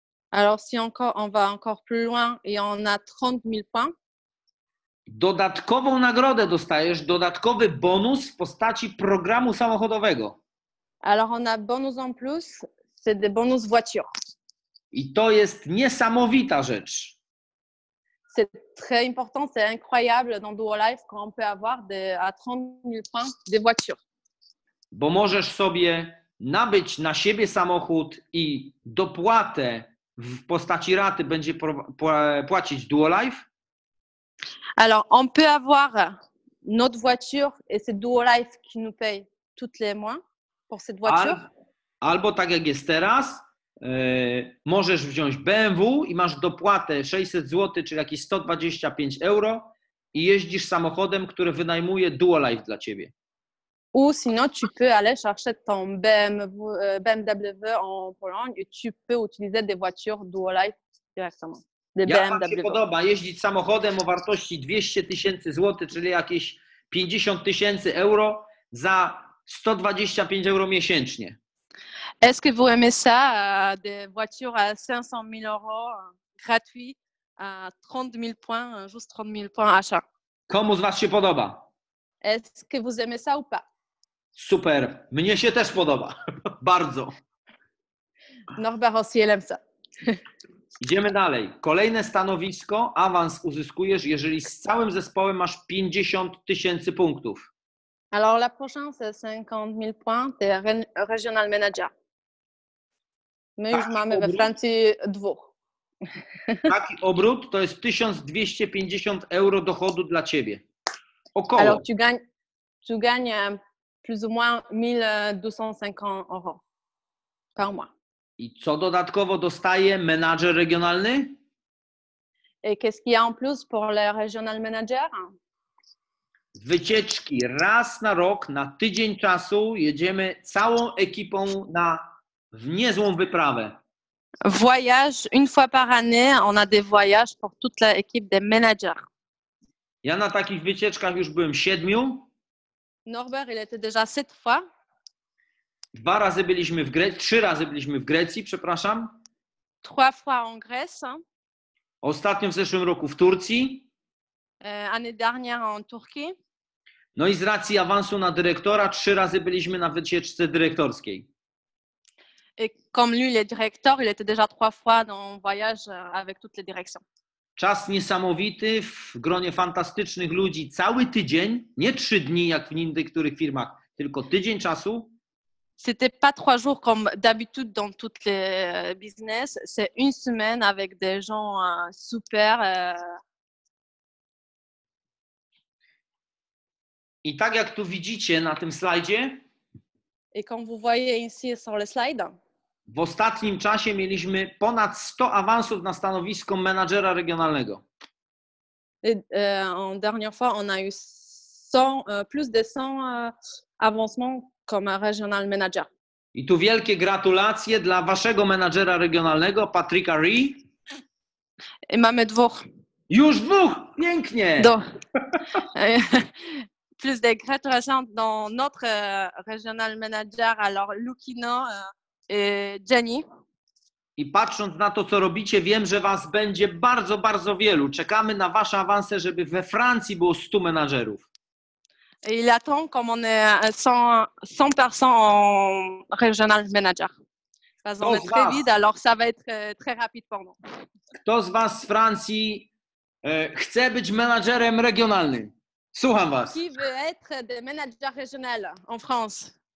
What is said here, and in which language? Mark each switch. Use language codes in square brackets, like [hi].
[fr] Alors si on va encore plus loin et on a 30000 points. [pl] Dodatkową nagrodę dostajesz, dodatkowy bonus w postaci programu samochodowego. [fr] Alors on a bonus en plus, c'est des bonus voiture. [pl] I to jest niesamowita rzecz. [fr] C'est très important, c'est incroyable dans Duo Life qu'on peut avoir à 30000 points des voitures. [pl] Bo możesz sobie nabyć na siebie samochód i dopłatę w postaci raty będzie płacić Duo Life. [fr] Alors, on peut avoir notre voiture et c'est Duo Life qui nous paye toutes les mois pour cette voiture. [pl] Albo tak jak jest teraz, możesz wziąć BMW i masz dopłatę 600 zł, czyli jakieś 125 euro i jeździsz samochodem, który wynajmuje Duo Life dla ciebie. [fr] Ou sinon tu peux aller chercher ton BMW en Pologne et tu peux utiliser des voitures Duo Life directement. [pl] Ja wam się podoba jeździć samochodem o wartości 200 tysięcy złotych, czyli jakieś 50 tysięcy euro za 125 euro miesięcznie. [fr] Est-ce que vous aimez ça, des voitures à 500 000 euros gratuit, à 30000 points, juste 30000 points achat? [pl] Komu z was się podoba? [fr] Est-ce que vous aimez ça ou pas? [pl] Super, mnie się też podoba, bardzo. [fr] Norbert aussi, il aime ça. [pl] Idziemy dalej. Kolejne stanowisko, awans uzyskujesz, jeżeli z całym zespołem masz 50 tysięcy punktów. [fr] Alors la prochaine c'est 50000 points, c'est regional manager. [pl] My już mamy we Francji dwóch. Taki obrót to jest 1250 euro dochodu dla ciebie. Około. [fr] Alors tu gagnes plus ou moins 1250 euro par mois. [pl] I co dodatkowo dostaje menadżer regionalny? [fr] Et qu'est-ce qu'il y a en plus pour le regional manager? [pl] Wycieczki raz na rok, na tydzień czasu jedziemy całą ekipą na niezłą wyprawę. [fr] Voyage une fois par année, on a des voyages pour toute l'équipe des managers. [pl] Ja na takich wycieczkach już byłem 7. [fr] Norbert, il était déjà 7 fois. [pl] Dwa razy byliśmy w Grecji, 3 razy byliśmy w Grecji, przepraszam. [fr] 3 fois en Grèce. [pl] Ostatnio w zeszłym roku w Turcji. [fr] Année dernière en Turquie. [pl] No i z racji awansu na dyrektora 3 razy byliśmy na wycieczce dyrektorskiej. [fr] Et comme lui le directeur, il était déjà 3 fois dans un voyage avec toutes les directions. [pl] Czas niesamowity, w gronie fantastycznych ludzi, cały tydzień, nie 3 dni jak w niektórych firmach, tylko tydzień czasu. [fr] C'était pas 3 jours comme d'habitude dans toutes les business, c'est une semaine avec des gens super. [pl] I tak jak tu widzicie na tym slajdzie. [fr] Et comme vous voyez ici sur le slide. [pl] W ostatnim czasie mieliśmy ponad 100 awansów na stanowisko menadżera regionalnego. [fr] En dernière fois, on a eu 100 plus de 100 avancements comme regional manager. [pl] I tu wielkie gratulacje dla waszego menadżera regionalnego, Patryka Ree. I mamy dwóch. Już dwóch! Pięknie! Do. [fr] Plus de gratulacje dans notre regional manager, alors Lukino. Jenny. [pl] I patrząc na to, co robicie, wiem, że was będzie bardzo, bardzo wielu. Czekamy na wasze awanse, żeby we Francji było 100 menadżerów. [fr] I attend comme on est 100 personnes en regional manager. Parce qu'on est très vite, alors ça va être très rapide pour nous. [pl] Kto z was z Francji chce być menadżerem regionalnym? Słucham was. [fr] Qui veut être de manager régional en France?